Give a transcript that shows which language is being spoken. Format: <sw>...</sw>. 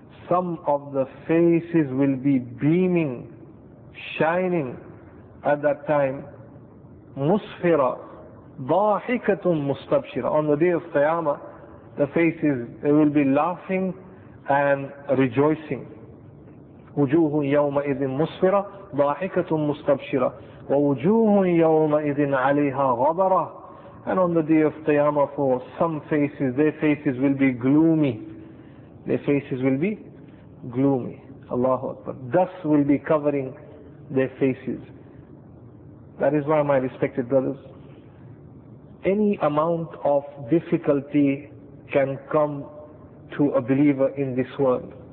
<en>Some of the faces will be beaming, shining at that time.</en> <ar>مُصْفِرَةٌ ضَاحِكَةٌ مُسْتَبْشِرَةٌ.</ar> <en>On the day of Qiyamah, the faces, they will be laughing and rejoicing.</en> <ar>وجوه يومئذ مسفرة ضاحكة مستبشرة ووجوه يومئذ عليها غبرة.</ar> <en>And on the day of Qiyamah, for some faces, their faces will be gloomy. Their faces will be gloomy. Allahu Akbar. Dust will be covering their faces. That is why, my respected brothers, any amount of difficulty can come to a believer in this world.</en>